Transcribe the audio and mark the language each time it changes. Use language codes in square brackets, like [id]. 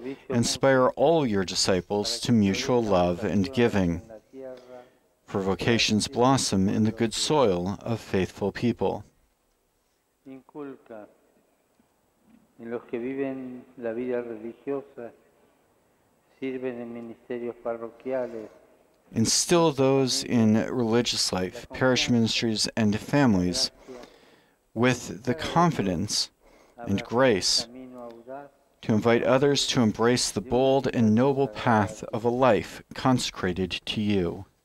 [en] Inspire all your disciples to mutual love and giving. For vocations blossom in the good soil of faithful people. [es] Inculca en los que viven la vida religiosa, sirven en ministerios parroquiales. [en] Instill those in religious life, parish ministries, and families with the confidence and grace to invite others to embrace the bold and noble path of a life consecrated to you.